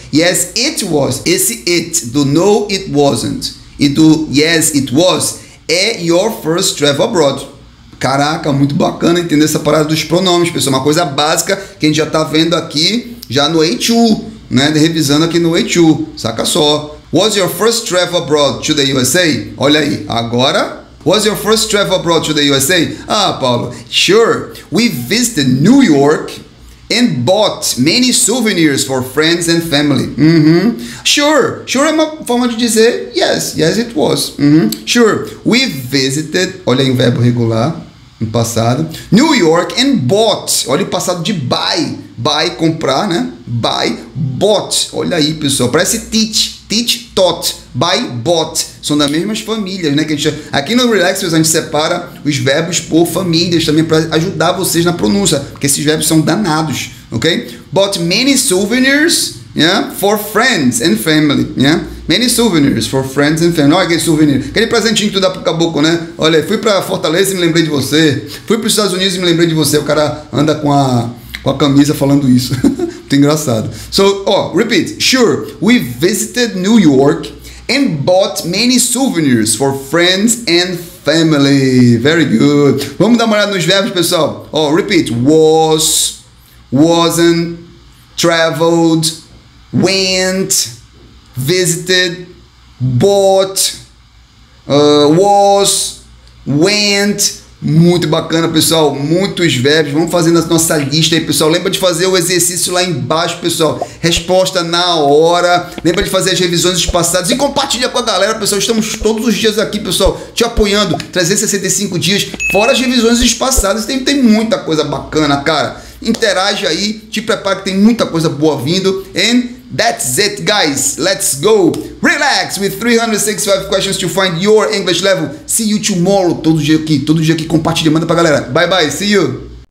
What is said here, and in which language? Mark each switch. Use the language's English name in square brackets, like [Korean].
[English] Yes, it was. Esse it do no, it wasn't. E do yes, it was. É your first travel abroad. [Portuguese] Caraca, muito bacana entender essa parada dos pronomes, pessoal. Uma coisa básica que a gente já tá vendo aqui, já no A2, né? Revisando aqui no A2, saca só. [English] Was your first travel abroad to the USA? [Portuguese] Olha aí, agora. [English] Was your first travel abroad to the USA? Ah, Paulo, sure. We visited New York and bought many souvenirs for friends and family. Uhum. Sure. Sure [Portuguese] é uma forma de dizer [English] yes. Yes, it was. Uhum. Sure. We visited. [Portuguese] Olha aí o verbo regular no passado. [English] New York and bought. [Portuguese] Olha o passado de buy. Buy, comprar, né? [English] Buy, bought. [Portuguese] Olha aí, pessoal. Parece [English] teach. Teach, taught. Buy, bought. [Portuguese] São das mesmas famílias, né? Que a gente, aqui no Relax, a gente separa os verbos por famílias também para ajudar vocês na pronúncia, porque esses verbos são danados, ok? [English] Bought many souvenirs, yeah? For friends and family, yeah? Many souvenirs for friends and family. [Portuguese] Olha aquele souvenir. Aquele presentinho que tu dá pro caboclo, né? Olha, fui pra Fortaleza e me lembrei de você. Fui pros Estados Unidos e me lembrei de você. O cara anda com a camisa falando isso. Muito engraçado. [English] So, oh, repeat. Sure, we visited New York and bought many souvenirs for friends and family. Very good. [Portuguese] Vamos dar uma olhada nos verbos, pessoal. [English] Oh, repeat. Was, wasn't, traveled, went, visited, bought, was, went. [Portuguese] Muito bacana, pessoal. Muitos verbos. Vamos fazendo a nossa lista aí, pessoal. Lembra de fazer o exercício lá embaixo, pessoal. Resposta na hora. Lembra de fazer as revisões dos passados. E compartilha com a galera, pessoal. Estamos todos os dias aqui, pessoal, te apoiando. 365 dias. Fora as revisões dos passados. Tem muita coisa bacana, cara. Interage aí. Te prepara que tem muita coisa boa vindo. [English] And that's it, guys. Let's go. Relax with 365 questions to find your English level. See you tomorrow. [Portuguese] Todo dia aqui compartilha. Manda pra galera. [English] Bye, bye. See you.